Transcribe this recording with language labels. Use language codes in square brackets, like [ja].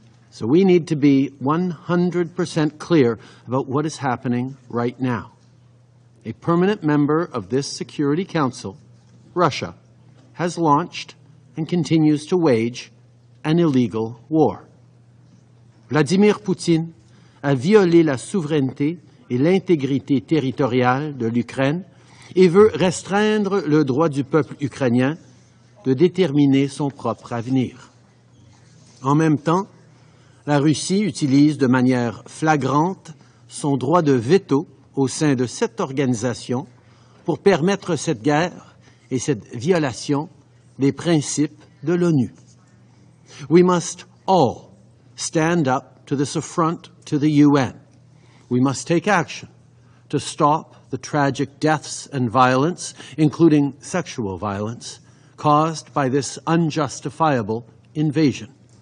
[en] So we need to be 100% clear about what is happening right now. A permanent member of this Security Council, Russia, has launched and continues to wage an illegal war. [fr] Vladimir Putin a violé la souveraineté et l'intégrité territoriale de l'Ukraine et veut restreindre le droit du peuple ukrainien de déterminer son propre avenir. En même temps, la Russie utilise de manière flagrante son droit de veto au sein de cette organisation pour permettre cette guerre et cette violation des principes de l'ONU. [en] We must all stand up to this affront to the UN. We must take action to stop the tragic deaths and violence, including sexual violence, caused by this unjustifiable invasion.